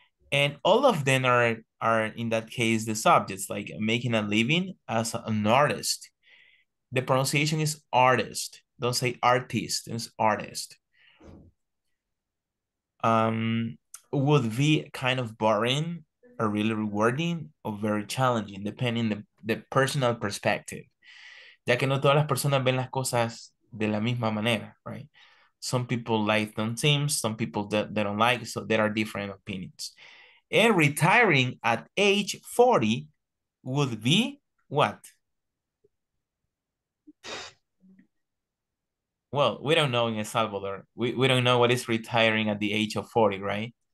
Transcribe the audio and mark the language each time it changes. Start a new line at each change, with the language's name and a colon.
English: And all of them are in that case, the subjects, like making a living as an artist. The pronunciation is artist. Don't say artist, it's artist. Would be kind of boring or really rewarding or very challenging, depending on the personal perspective.
Spanish: Ya que no todas las personas ven las cosas de la misma manera, right?
English: Some people like some things, some people they don't like, so there are different opinions. And retiring at age 40 would be what? Well, we don't know in El Salvador. We don't know what is retiring at the age of 40, right?